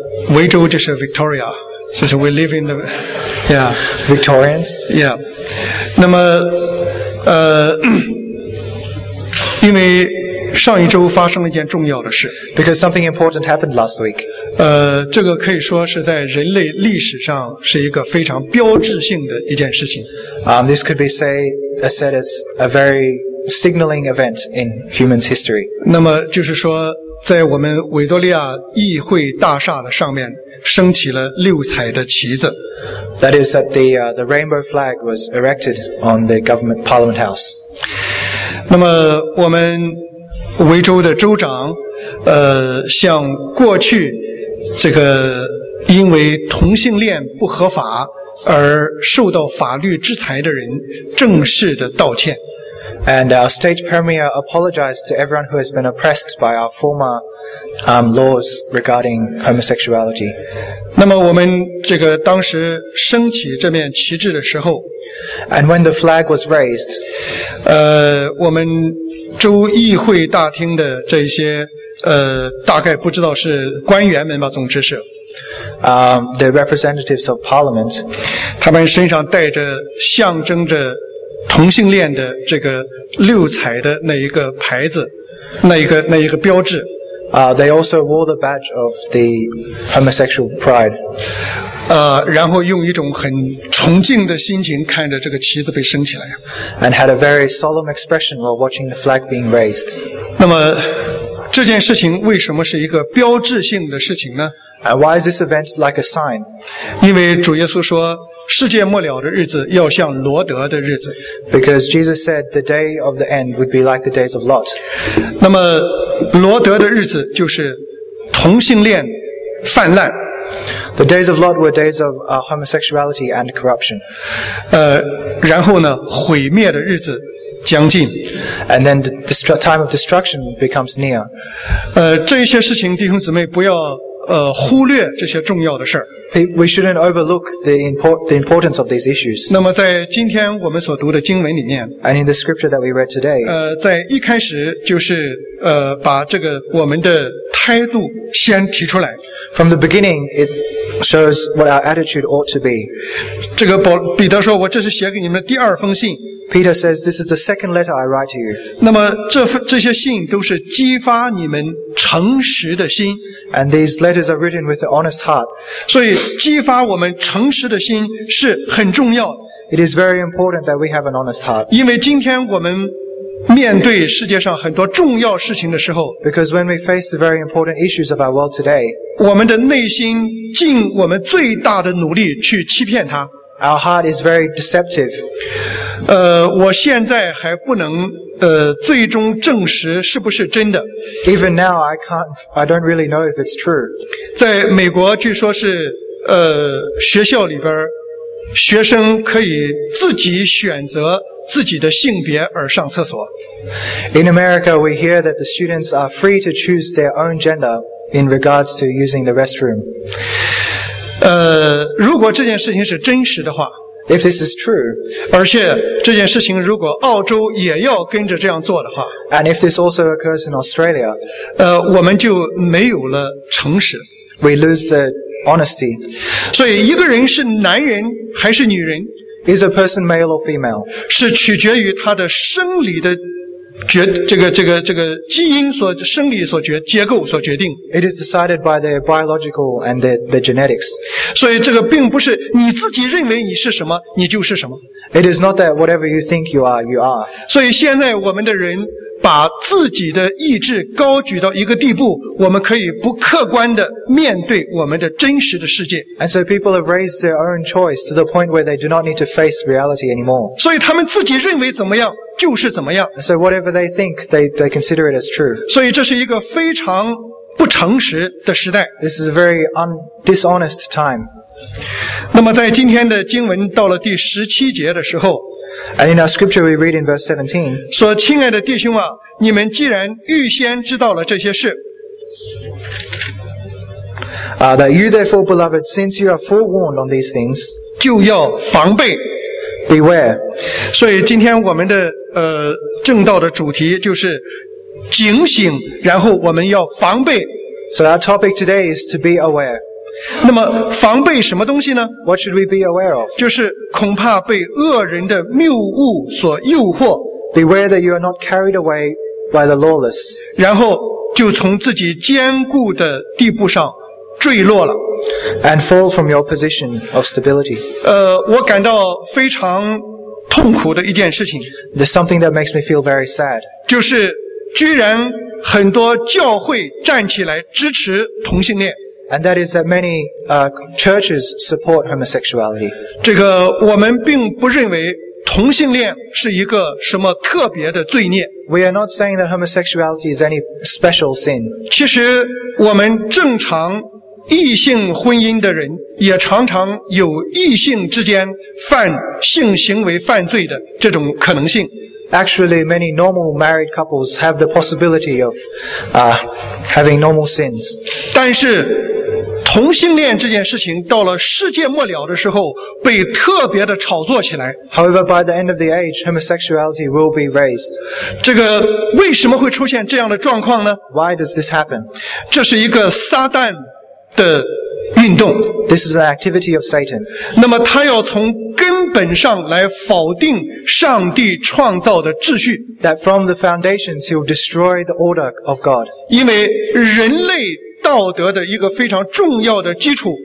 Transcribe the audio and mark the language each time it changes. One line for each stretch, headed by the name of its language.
Chinese: 维州就是
English: Victoria， 就是 we live in the yeah Victorians yeah。
Chinese: 那么因为上一周发生了一件重要的事。
English: Because something important happened last week。
Chinese: 这个可以说是在人类历史上是一个非常标志性的一件事情。
English: This could be said as a very signaling event in human's history。
Chinese: 那么就是说，在我们维多利亚议会大厦的上面升起了六彩的旗子。
English: That is that the rainbow flag was erected on the government parliament house。
Chinese: 那么我们维州的州长，向过去这个因为同性恋不合法而受到法律制裁的人正式的道歉。
English: And our state premier apologized to everyone who has been oppressed by our former laws regarding homosexuality.
Chinese: 那么我们这个当时升起这面旗帜的时候
English: ，And when the flag was raised，
Chinese: 我们州议会大厅的这些大概不知道是官员们吧，总之是。
English: The representatives of parliament.
Chinese: 他们身上带着象征着同性恋的这个六彩的那一个牌子，那一个标志。
English: They also wore the badge of the homosexual pride.
Chinese: 然后用一种很崇敬的心情看着这个旗子被升起来。
English: And had a very solemn expression while watching the flag being raised.
Chinese: 那么这件事情为什么是一个标志性的事情呢？
English: And why is this event like a sign?
Chinese: 因为主耶稣说世界末了的日子要像罗德的日子。
English: Because Jesus said the day of the end would be like the days of Lot.
Chinese: 那么罗德的日子就是同性恋泛滥。
English: The days of Lot were days of homosexuality and corruption.
Chinese: 然后呢毁灭的日子将近。
English: And then the time of destruction becomes near.
Chinese: 这些事情弟兄姊妹不要忽略这些重要的事儿。
English: We shouldn't overlook the importance of these issues.
Chinese: 那么在今天我们所读的经文里面
English: And in the scripture that we read today,
Chinese: 在一开始就是把这个我们的态度先提出来。
English: From the beginning, it shows what our attitude ought to be.
Chinese: 这个彼得说我这是写给你们的第二封信。
English: Peter says, this is the second letter I write to you.
Chinese: 那么这些信都是激发你们诚实的心。
English: And these letters are written with an honest heart.
Chinese: 所以激发我们诚实的心是很重要的。
English: It is very important that we have an honest heart.
Chinese: 因为今天我们面对世界上很多重要事情的时候
English: Because when we face the very important issues of our world today,
Chinese: 我们的内心尽我们最大的努力去欺骗它。
English: Our heart is very deceptive.
Chinese: 我现在还不能最终证实是不是真的。
English: Even now, I don't really know if it's true.
Chinese: 在美国据说是学校里边学生可以自己选择自己的性别而上厕所。
English: In America, we hear that the students are free to choose their own gender in regards to using the restroom.
Chinese: 如果这件事情是真实的话
English: If this is true,
Chinese: 而且这件事情如果澳洲也要跟着这样做的话
English: And if this also occurs in Australia,
Chinese: 我们就没有了诚实
English: We lose the honesty.
Chinese: 所以一个人是男人还是女人
English: Is a person male or female?
Chinese: 是取决于他的生理的这个基因所生理所决结构所决定。
English: It is decided by the biological and the genetics.
Chinese: 所以这个并不是你自己认为你是什么你就是什么。
English: It is not that whatever you think you are, you are.
Chinese: 所以现在我们的人把自己的意志高举到一个地步，我们可以不客观的面对我们的真实的世界。
English: And so people have raised their own choice to the point where they do not need to face reality anymore.
Chinese: 所以他们自己认为怎么样？就是怎么样
English: So whatever they think, they consider it as true.
Chinese: 所以这是一个非常不诚实的时代
English: This is a very dishonest time.
Chinese: 那么在今天的经文到了第十七节的时候
English: And in our scripture we read in verse 17,
Chinese: 说亲爱的弟兄啊你们既然预先知道了这些事
English: That you therefore, beloved, since you are forewarned on these things,
Chinese: 就要防备
English: Beware.
Chinese: 所以今天我们的正道的主题就是警醒，然后我们要防备。
English: So our topic today is to be aware.
Chinese: 那么防备什么东西呢
English: ？What should we be aware of?
Chinese: 就是恐怕被恶人的谬误所诱惑。
English: Beware that you are not carried away by the lawless.
Chinese: 然后就从自己坚固的地步上坠落了。
English: And fall from your position of stability.
Chinese: 我感到非常痛苦的一件事情。
English: There's something that makes me feel very sad.
Chinese: 就是居然很多教会站起来支持同性恋。
English: And that is that many churches support homosexuality.
Chinese: 这个我们并不认为同性恋是一个什么特别的罪孽。
English: We are not saying that homosexuality is any special sin.
Chinese: 其实我们正常异性婚姻的人也常常有异性之间犯性行为犯罪的这种可能性。
English: Actually, many normal married couples have the possibility of having normal sins.
Chinese: 但是同性恋这件事情到了世界末了的时候被特别的炒作起来。
English: However, by the end of the age, homosexuality will be raised.
Chinese: 这个为什么会出现这样的状况呢？
English: Why does this happen?
Chinese: 这是一个撒旦的运动。
English: This is an activity of Satan.
Chinese: 那么他要从根本上来否定上帝创造的秩序。
English: That from the foundations, he will destroy the order of God.
Chinese: 因为人类道德的一个非常重要的基础